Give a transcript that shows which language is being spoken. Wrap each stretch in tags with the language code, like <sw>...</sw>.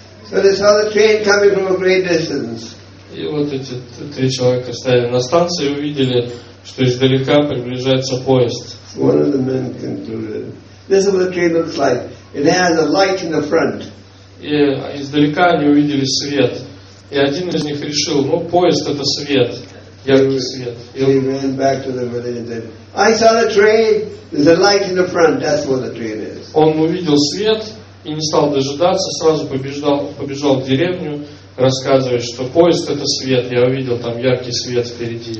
<en>So they saw the train coming from a great distance.</en> <ru>И вот эти три человека стояли на станции и увидели, что издалека приближается поезд.</ru> <en>One of the men concluded, "This is what the train looks like. It has a light in the front."</en> <ru>И издалека они увидели свет. И один из них решил, ну поезд это свет. яркий свет.</ru> <en>He ran back to the village and said, I saw the train. There's a light in the front. That's what the train is.</en> <ru>Он увидел свет и не стал дожидаться, сразу побежал в деревню, рассказывая, что поезд — это свет. Я увидел там яркий свет впереди.</ru>